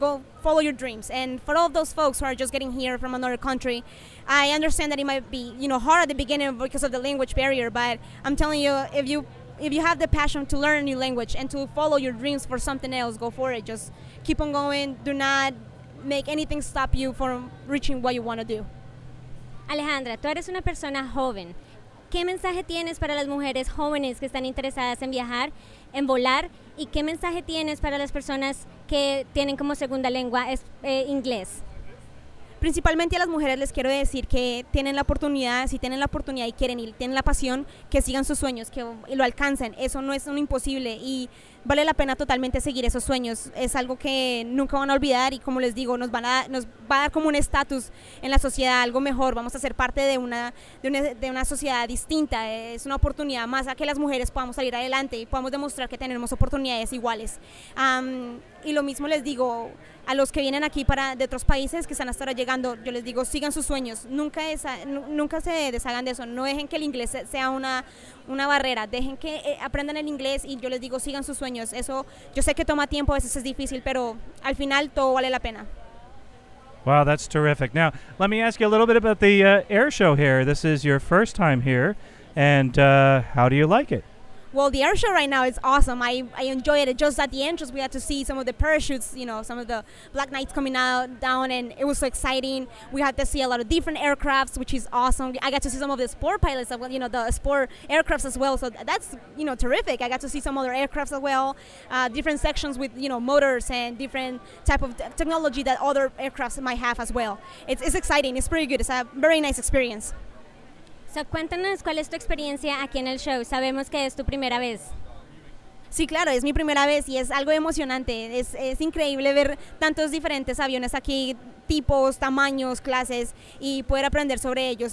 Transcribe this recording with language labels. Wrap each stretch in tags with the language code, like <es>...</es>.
<en>Go follow your dreams. And for all of those folks who are just getting here from another country, I understand that it might be, hard at the beginning because of the language barrier. But I'm telling you, if you have the passion to learn a new language and to follow your dreams for something else, go for it. Just keep on going. Do not make anything stop you from reaching what you want to do.</en> <es>Alejandra, tú eres una persona joven. ¿Qué mensaje tienes para las mujeres jóvenes que están interesadas en viajar, en volar? ¿Y qué mensaje tienes para las personas que tienen como segunda lengua inglés? Principalmente a las mujeres les quiero decir que tienen la oportunidad, si tienen la oportunidad y quieren ir, tienen la pasión, que sigan sus sueños, que lo alcancen. Eso no es un imposible y vale la pena totalmente seguir esos sueños. Es algo que nunca van a olvidar y, como les digo, nos va a dar como un estatus en la sociedad, algo mejor. Vamos a ser parte de una sociedad distinta. Es una oportunidad más a que las mujeres podamos salir adelante y podamos demostrar que tenemos oportunidades iguales. Y lo mismo les digo a los que vienen aquí de otros países que están hasta ahora llegando. Yo les digo, sigan sus sueños. Nunca se deshagan de eso. No dejen que el inglés sea una barrera. Dejen que aprendan el inglés y yo les digo, sigan sus sueños. Eso, yo sé que toma tiempo, a veces es difícil, pero al final todo vale la pena.</es> <en>Wow, that's terrific. Now, let me ask you a little bit about the air show here. This is your first time here. And how do you like it? Well, the air show right now is awesome. I enjoy it. Just at the entrance, we had to see some of the parachutes, some of the Black Knights coming out down, and it was so exciting. We had to see a lot of different aircrafts, which is awesome. I got to see some of the sport pilots, the sport aircrafts as well. So that's, terrific. I got to see some other aircrafts as well, different sections with, motors and different type of technology that other aircrafts might have as well. It's exciting. It's pretty good. It's a very nice experience.</en> <es>So, cuéntanos cuál es tu experiencia aquí en el show. Sabemos que es tu primera vez. Sí, claro, es mi primera vez y es algo emocionante. Es increíble ver tantos diferentes aviones aquí, tipos, tamaños, clases, y poder aprender sobre ellos.</es>